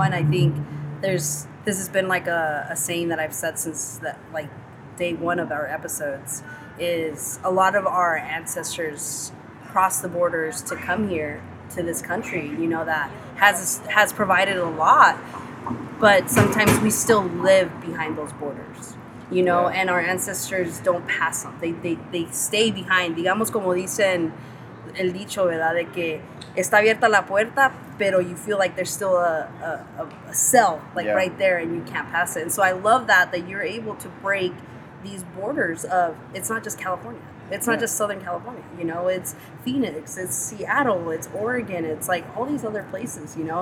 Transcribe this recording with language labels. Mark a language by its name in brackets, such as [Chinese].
[English] And I think this has been like a saying that I've said since that, like, day one of our episodes, is a lot of our ancestors crossed the borders to come here to this country, you know, that has provided a lot, but sometimes we still live behind those borders, you know, and our ancestors don't pass them. They stay behind. [Spanish] Digamos como dicen el dicho, ¿verdad? De que está abierta la puerta, [English] pero you feel like there's still a cell, like, right there, and you can't pass it. And so I love that you're able to break these borders of, it's not just California. It's not just Southern California, you know? It's Phoenix, it's Seattle, it's Oregon, it's like all these other places, you know?